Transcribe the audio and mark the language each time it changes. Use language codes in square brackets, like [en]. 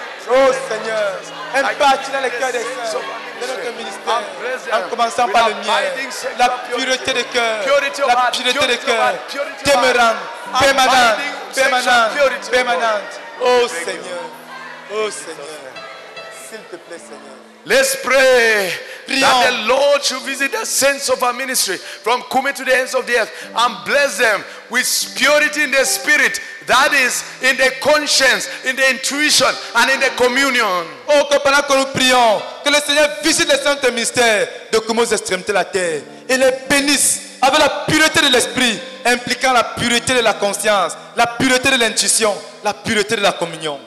[fr] Oh Seigneur, impartis dans le cœur des saints. De notre ministère, en commençant par le mien, la pureté de cœur, la pureté de cœur, demeurante, permanente, permanente, permanente. Oh Seigneur, oh Seigneur, s'il te plaît, Seigneur. [en] Let's pray that the Lord should visit the saints of our ministry from Kume to the ends of the earth and bless them with purity in the spirit, that is, in the conscience, in the intuition, and in the communion. [fr] Oh, que pendant que nous prions, que le Seigneur visite les saints de ministère de Kumo's extrémité de la terre et les bénisse avec la pureté de l'esprit, impliquant la pureté de la conscience, la pureté de l'intuition, la pureté de la communion.